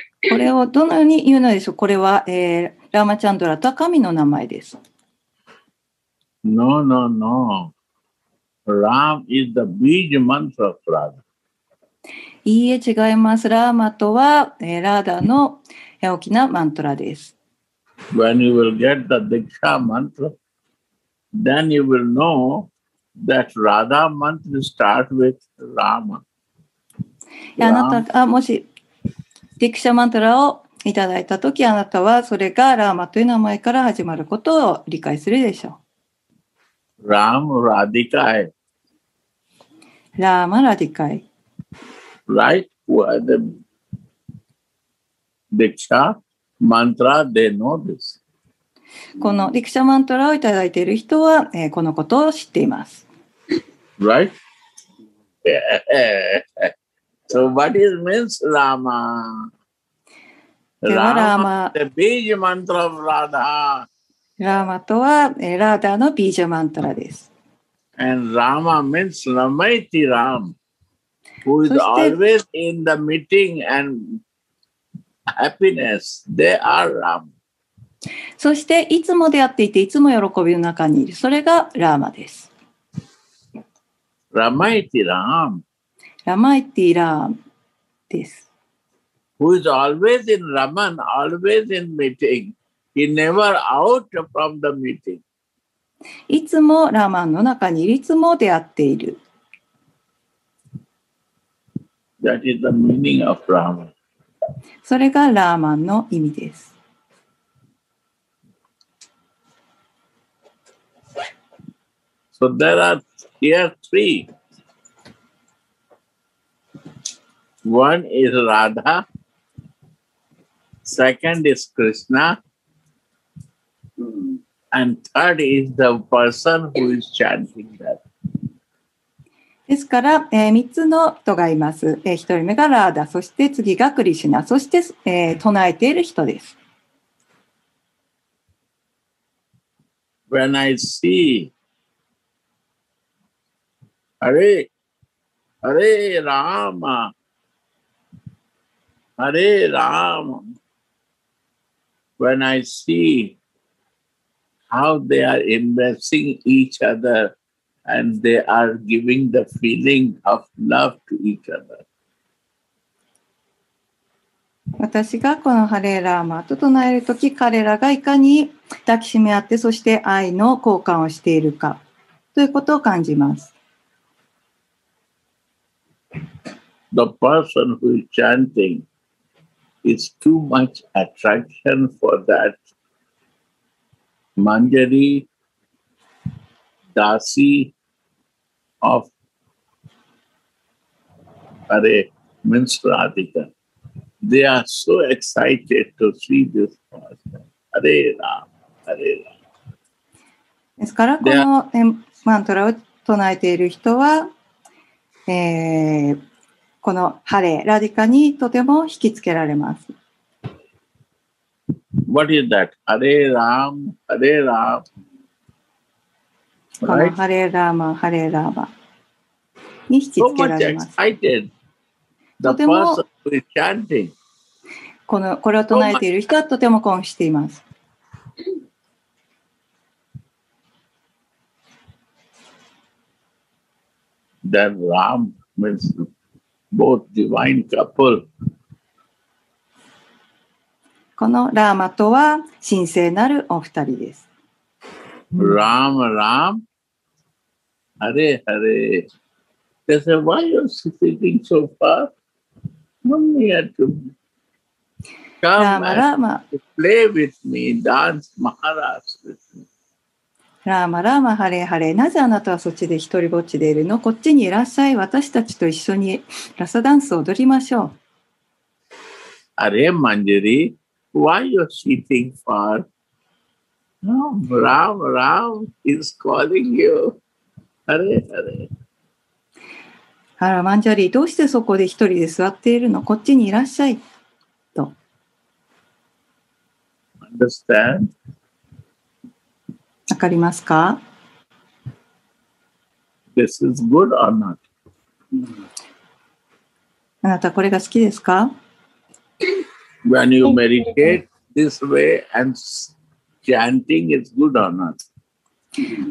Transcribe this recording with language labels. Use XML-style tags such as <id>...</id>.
<ja>これをどのように言うのでしょう。これは、ラーマチャンドラとは神の名前です。</ja> <en>No, no, no. Ram is the Bija mantra of Radha.</en> <ja>いいえ、違います。ラーマとは、ラーダの大きなマントラです。</ja> <en>When you will get the Diksha mantra, then you will know that Radha mantra starts with Rama.</en> <ja>あなたが、もし、ディクシャマントラをいただいたとき、あなたはそれがラーマという名前から始まることを理解するでしょう。ラーマ・ラディカイ。ラーマ・ラディカイ。</ja> <en>Right? Well, the ディクシャマントラ、they know this.</en> <ja>このディクシャマントラをいただいている人は、このことを知っています。</ja> <en>Right? Yeah. So what is means Rama? Rama, the Bija mantra of Radha.</en> <ja>Rama とは、Radha のビジャマントラです。</ja> <en>And Rama means Ramayati Ram, who is always in the meeting and happiness. They are Ram.</en> <ja>そして、いつも出会っていて、いつも喜びの中にいる。それが Rama です。</ja> <en>Ramayati Ram.</en> <ja>Ramayati Ram です。</ja> <en>Who is always in Raman, always in meeting. He never out from the meeting.</en> <ja>いつもラマンの中にいつも出会っている。</ja> <en>That is the meaning of Rama.</en> <ja>それがラマンの意味です。</ja> <en>So there are here three. One is Radha. Second is Krishna, and third is the person who is chanting that.</en> <ja>ですから、3つの人がいます。1人目がラーダ、そして次がクリシナ、そして、唱えている人です。</ja> <en>When I see, Hare, Hare Rama, Hare Rama. When I see how they are embracing each other and they are giving the feeling of love to each other.</en> <ja>私がこのハレーラーマと唱えるとき、彼らがいかに抱きしめ合って、そして愛の交換をしているかということを感じます。</ja> <en>The person who is chanting. It's too much attraction for that Manjari Dasi of Hare means Radhika. They are so excited to see this person. Hare Rama, Hare Rama.</en> <ja>ですから、このマントラを唱えている人は、このハレ・ラディカにとても引きつけられます。</ja> <en>What is that?</en> <ja>ハレ・ラーマ、ハレ・ラーマ。このハレ・ラーマ、ハレ・ラーマに引きつけられます。</ja> <en>So much excited. The person who is chanting.</en> <ja>これを唱えている人はとても興奮しています。</ja> <en>The Ram means both divine couple.</en> <ja>このラーマとは神聖なるお二人です。ラーマ、ラーマ、ハレハレ。</ja> <en>They say, why are you sitting so far? Come here to me. Come and play with me, dance maharas with me.</en> <ja>ラーマラーマハレハレ、なぜあなたはそっちで一人ぼっちでいるの？こっちにいらっしゃい、私たちと一緒にラサダンスを踊りましょう。あれマンジェリー、</ja> <en>why are you sitting far? No, Ram, Ram is calling you. ハレハレ。</en> <ja>あらマンジェリー、どうしてそこで一人で座っているの？こっちにいらっしゃい、と。</ja> <en>Understand?</en> <ja>わかりますか？</ja> <en>This is good or not?</en> <ja>あなたこれが好きですか？</ja> <en>When you meditate this way and chanting is good or not?</en>